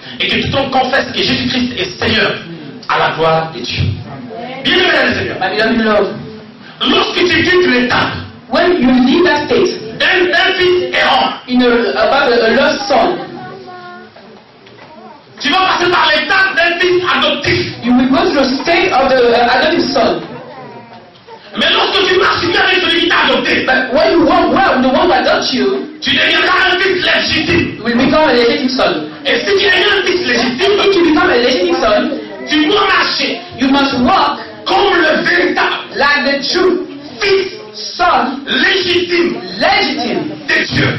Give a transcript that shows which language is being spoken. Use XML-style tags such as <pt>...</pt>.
<fr>Et que tout le monde confesse que Jésus-Christ est Seigneur à la gloire de Dieu. Bienvenue dans le Seigneur. Lorsque tu quittes l'étape,</fr> <en>when you leave that state,</en> <fr>d'un fils errant,</fr> <en>about a lost son,</en> <fr>tu vas passer par l'étape d'un fils adoptif.</fr> <en>You will go to the state of the adoptive son.</en> <fr>Mais lorsque tu marches bien avec celui qui t'a adopté,</fr> <en>but when you walk well with the one who adopts you,</en> <fr>tu deviendras un fils légitime.</fr> <en>You will become a legitimate son.</en> <fr>Et si tu deviens un fils légitime,</fr> <en>if you become a legitimate son,</en> <fr>tu dois marcher.</fr> <en>You must walk</en> <fr>comme le véritable,</fr> <en>like the true</en> <fr>fils.</fr> <en>Son</en> <fr>légitime de Dieu.</fr>